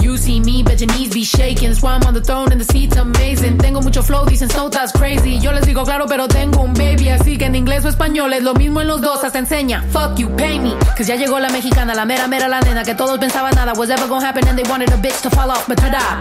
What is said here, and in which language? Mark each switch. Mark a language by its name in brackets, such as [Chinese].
[English] You see me, bet your knees be shaking. That's why I'm on the throne and the seat's amazing. [Spanish] Tengo mucho flow, dicen [English] so that's crazy. [Spanish] Yo les digo claro, pero tengo un baby. Así que en inglés o español es lo mismo en los dos. Hasta enseña, [English] fuck you, pay me. [Spanish] Cause ya llegó la mexicana, la mera mera, la nena. Que todos pensaban nada [English] was ever gonna happen. And they wanted a bitch to fall off, but ta-da.